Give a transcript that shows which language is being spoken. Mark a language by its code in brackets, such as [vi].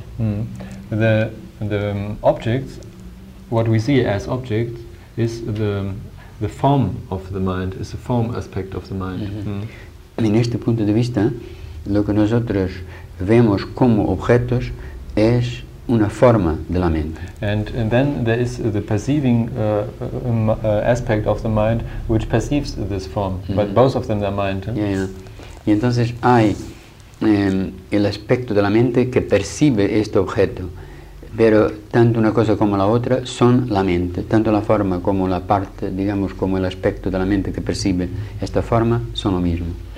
[en] The objects, what we see as objects, is the form of the mind, is the form aspect of the mind. Mm-hmm. [es] En este punto de vista, lo que nosotros vemos como objetos es una forma de la mente. [en] And then there is the perceiving aspect of the mind, which perceives this form, mm-hmm, but both of them are mind. [es] Yeah, yeah. Y entonces hay el aspecto de la mente que percibe este objeto. Pero tanto una cosa como la otra son la mente, tanto la forma como la parte, digamos, como el aspecto de la mente que percibe esta forma son lo mismo.